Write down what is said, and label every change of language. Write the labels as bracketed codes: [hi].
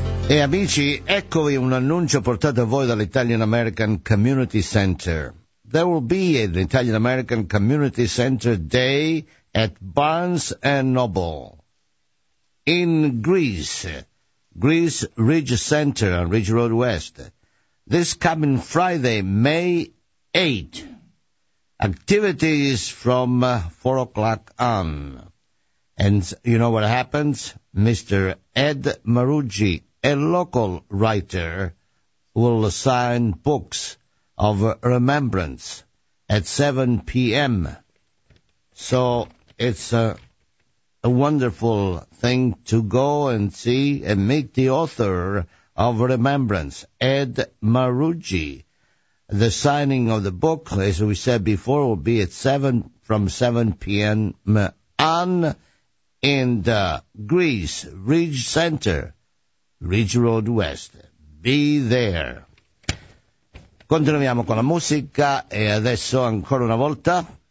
[it] E amici, eccovi un annuncio portato a voi dall'Italian American Community Center. [en] There will be an Italian American Community Center Day at Barnes and Noble in Greece, Greece Ridge Center on Ridge Road West, this coming Friday, May 8. Activities from 4 o'clock on. And you know what happens? Mr. Ed Maruggi, a local writer, will sign books of remembrance at 7 p.m. So it's a wonderful thing to go and see and meet the author of Remembrance, Ed Maruggi. The signing of the book, as we said before, will be at 7, from 7 p.m. on in the Greece Ridge Center, Ridge Road West. Be there. [it] Continuiamo con la musica e adesso ancora una volta.